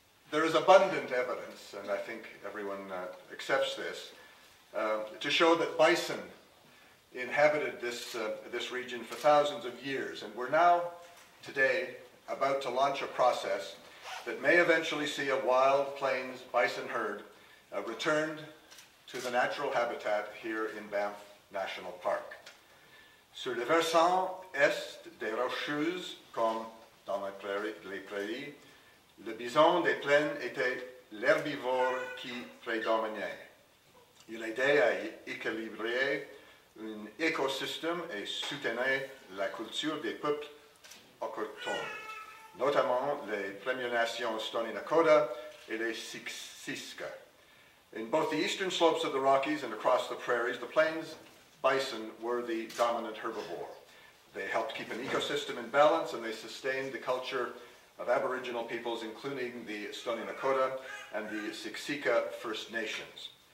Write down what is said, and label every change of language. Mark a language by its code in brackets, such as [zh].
[en] There is abundant evidence, and I think everyone accepts this, to show that bison inhabited this region for thousands of years, and we're now today about to launch a process that may eventually see a wild plains bison herd returned to the natural habitat here in Banff National Park. [fr] Sur le versant est des rocheuses, comme dans les prairies, le bison des plaines était l'herbivore qui prédominait. Il aidait à équilibrer un écosystème et soutenait la culture des peuples autochtones, notamment les Premières Nations Stony Nakoda et les Siksika. [en] In both the eastern slopes of the Rockies and across the prairies, the plains bison were the dominant herbivore. They helped keep an ecosystem in balance, and they sustained the culture of Aboriginal peoples, including the Stony Nakoda and the Siksika First Nations.